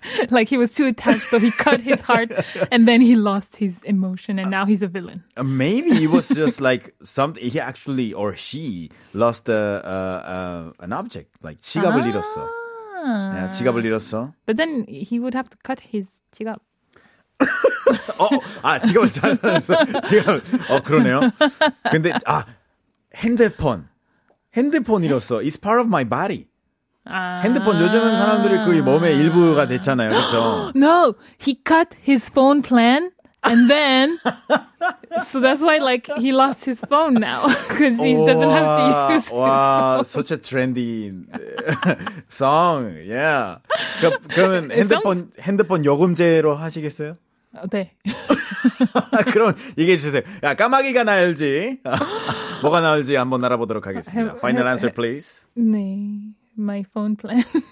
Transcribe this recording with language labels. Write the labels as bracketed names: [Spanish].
[English] Like he was too attached, so he cut his heart, and then he lost his emotion, and now he's a villain. Maybe it was just like something, he actually, or she, lost an object, like [Korean] 지갑을 잃었어. Yeah, 지갑을 잃었어. [English] But then he would have to cut his 지갑. [Korean] 지갑을 잘라서, 지갑을, 그러네요. 근데, 핸드폰. 핸드폰 잃었어. [English] It's part of my body. [Korean] 핸드폰 요즘은 사람들이 그 몸의 일부가 됐잖아요. 그렇죠? [English] No, he cut his phone plan and then so that's why like he lost his phone now because he doesn't have to use. Wow, such a trendy song. Yeah. [Korean] 그러면 핸드폰 요금제로 하시겠어요? 네. 그럼 얘기해 주세요. 야, 까마귀가 날지. 뭐가 나올지 한번 알아보도록 하겠습니다. [English] Final answer, please. [Korean] 네, [English] my phone plan.